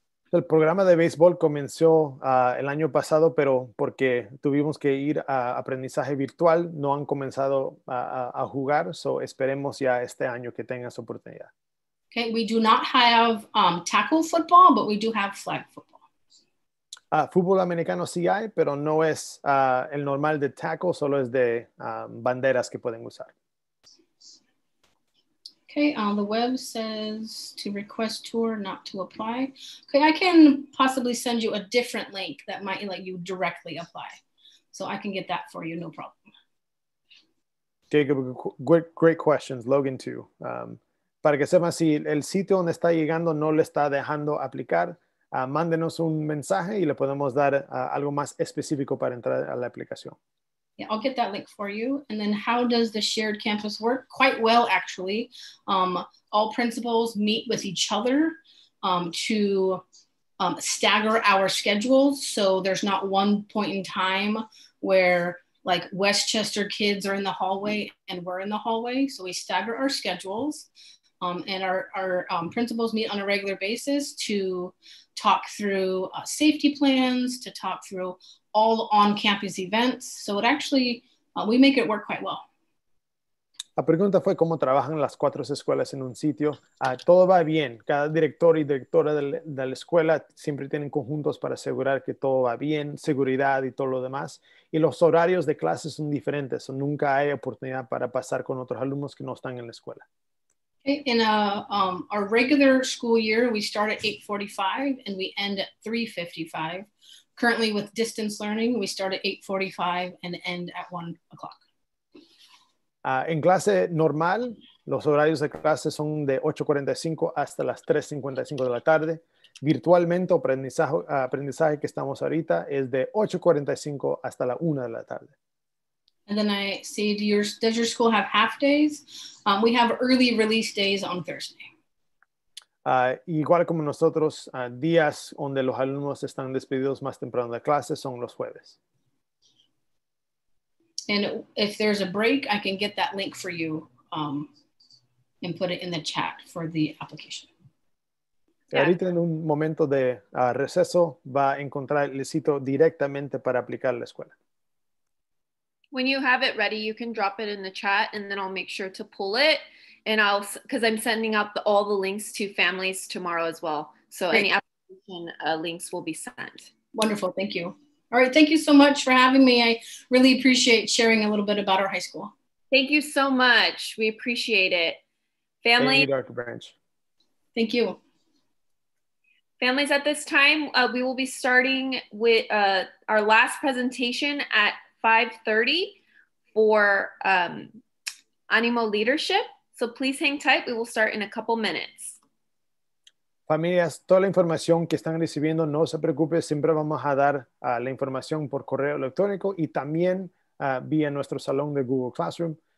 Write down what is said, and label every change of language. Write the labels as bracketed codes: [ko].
[es] El programa de béisbol comenzó el año pasado, pero porque tuvimos que ir a aprendizaje virtual, no han comenzado a jugar, so esperemos ya este año que tengan su oportunidad. [en] Okay, we do not have tackle football, but we do have flag football. [es] Fútbol americano sí hay, pero no es el normal de tackle, solo es de banderas que pueden usar. [en] Okay, the web says to request tour, not to apply. Okay, I can possibly send you a different link that might let you directly apply. So I can get that for you, no problem. Jacob, great questions, Logan too. [es] Para que sepan, si el sitio donde está llegando no le está dejando aplicar, mándenos un mensaje y le podemos dar algo más específico para entrar a la aplicación. [en] Yeah, I'll get that link for you. And then how does the shared campus work? Quite well, actually. All principals meet with each other to stagger our schedules. So there's not one point in time where like Westchester kids are in the hallway and we're in the hallway. So we stagger our schedules and our principals meet on a regular basis to talk through safety plans, to talk through all on-campus events. So it actually, we make it work quite well. [es] La pregunta fue cómo trabajan las cuatro escuelas en un sitio. Todo va bien. Cada director y directora de la escuela siempre tienen conjuntos para asegurar que todo va bien, seguridad y todo lo demás. Y los horarios de clases son diferentes. So nunca hay oportunidad para pasar con otros alumnos que no están en la escuela. [en] In our regular school year, we start at 8:45 and we end at 3:55. Currently with distance learning, we start at 8:45 and end at 1 o'clock. [es] En clase normal, los horarios de clase son de 8:45 hasta las 3:55 de la tarde. Virtualmente, aprendizaje que estamos ahorita es de 8:45 hasta la 1 de la tarde. [en] And then I see, does your school have half days? We have early release days on Thursday. [es] Igual como nosotros, días donde los alumnos están despedidos más temprano de clase son los jueves. [en] And if there's a break, I can get that link for you and put it in the chat for the application. Yeah. [es] Ahorita en un momento de receso va a encontrar el sitio directamente para aplicar la escuela. [en] When you have it ready, you can drop it in the chat and then I'll make sure to pull it. And I'll, because I'm sending out all the links to families tomorrow as well. So great. Any application links will be sent. Wonderful. Thank you. All right. Thank you so much for having me. I really appreciate sharing a little bit about our high school. Thank you so much. We appreciate it. Family. Thank you, Dr. Branch. Thank you. Families, at this time, we will be starting with our last presentation at 5:30 for Animo Leadership. So please hang tight. We will start in a couple minutes. [es] Familias, toda la información que están recibiendo, no se preocupe. Siempre vamos a dar la información por correo electrónico y también vía nuestro salón de Google Classroom.